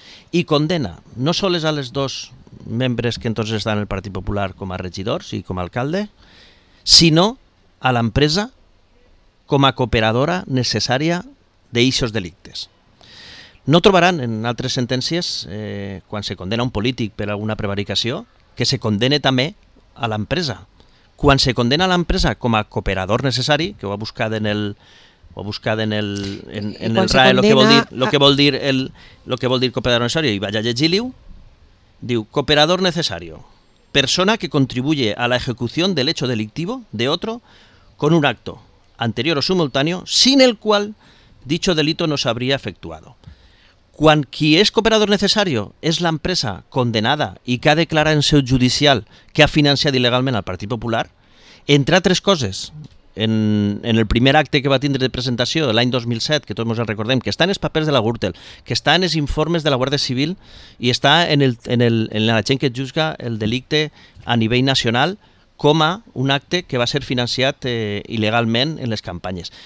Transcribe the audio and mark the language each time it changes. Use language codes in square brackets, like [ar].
[ca] i condena no només a les dos membres que entonces estan en el Partit Popular com a regidors i com a alcalde, sinó a l'empresa com a cooperadora necessària d'eixos delictes. No trobaran en altres sentències, quan se condena un polític per alguna prevaricació, que se condene també a l'empresa. Quan se condena a l'empresa com a cooperador necessari, que ho ha buscat en el RAE, lo que vol dir cooperador necessari, i vaig a llegir-li-ho, diu: [es] cooperador necessario, persona que contribuye a la ejecución del hecho delictivo de otro con un acto anterior o simultáneo sin el cual dicho delito no se habría efectuado. [ca] Quan qui és cooperador necessario és l'empresa condenada i que ha declarat en seu judicial que ha financiat il·legalment el Partit Popular, entre altres coses, en el primer acte que va tindre de presentació l'any 2007, que tots ens recordem, que està en els papers de la Gürtel, que està en els informes de la Guàrdia Civil i està en la gent que juzga el delicte a nivell nacional com a un acte que va ser financiat il·legalment en les campanyes.